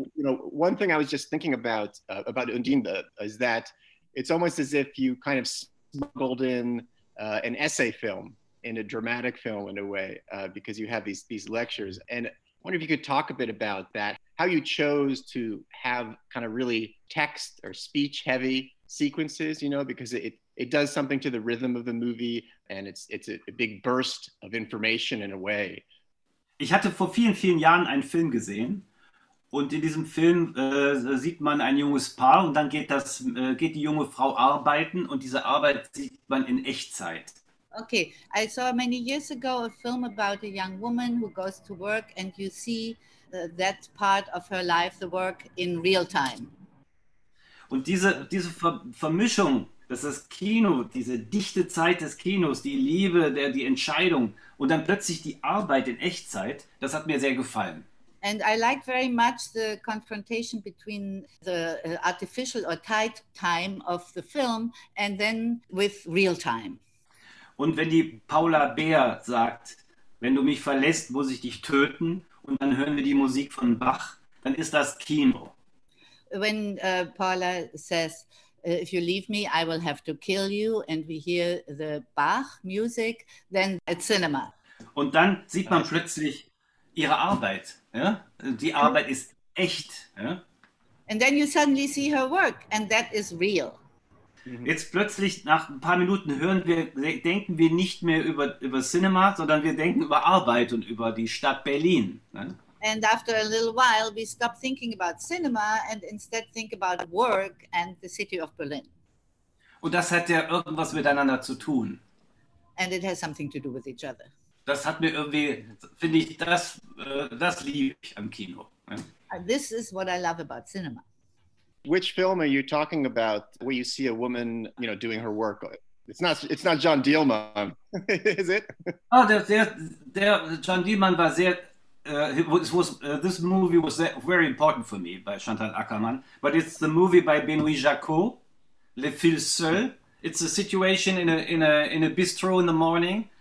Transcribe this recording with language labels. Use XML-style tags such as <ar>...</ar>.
<en>You know, one thing I was just thinking about Undine is that it's almost as if you kind of smuggled in an essay film, in a dramatic film in a way, because you have these lectures. And I wonder if you could talk a bit about that, how you chose to have kind of really text or speech heavy sequences, you know, because it does something to the rhythm of the movie, and it's a big burst of information in a way.</en> <de>Ich hatte vor vielen, vielen Jahren einen Film gesehen. Und in diesem Film sieht man ein junges Paar, und dann geht die junge Frau arbeiten, und diese Arbeit sieht man in Echtzeit.</de> <en>Okay, I saw many years ago a film about a young woman who goes to work, and you see that part of her life, the work, in real time.</en> <de>Und diese Vermischung, dass das Kino, diese dichte Zeit des Kinos, die Liebe, die Entscheidung, und dann plötzlich die Arbeit in Echtzeit, das hat mir sehr gefallen.</de> <en>And I like very much the confrontation between the artificial or tight time of the film and then with real time.</en> <de>Und wenn die Paula Baer sagt, wenn du mich verlässt, muss ich dich töten, und dann hören wir die Musik von Bach, dann ist das Kino.</de> <en>When Paula says, if you leave me, I will have to kill you, and we hear the Bach music, then it's cinema.</en> <de>Und dann sieht man plötzlich ihre Arbeit. Ja? Die Arbeit ist echt. Ja?</de> <en>And then you suddenly see her work, and that is real.</en> <de>Jetzt plötzlich, nach ein paar Minuten, denken wir nicht mehr über Cinema, sondern wir denken über Arbeit und über die Stadt Berlin. Ja?</de> <en>And after a little while, we stop thinking about cinema and instead think about work and the city of Berlin.</en> <de>Und das hat ja irgendwas miteinander zu tun.</de> <en>And it has something to do with each other.</en> <de>Das hat mir irgendwie, finde ich, das liebe ich am Kino.</de> <en>Ja? This is what I love about cinema. Which film are you talking about where you see a woman, you know, doing her work? It's not John Dielman, is it? Oh,</en> <de>der John Dielman war sehr,</de> <en>this movie was very important for me by Chantal Ackermann, but it's the movie by Benoît Jacquot, Le Fils Seul. It's a situation in a bistro in the morning,</en>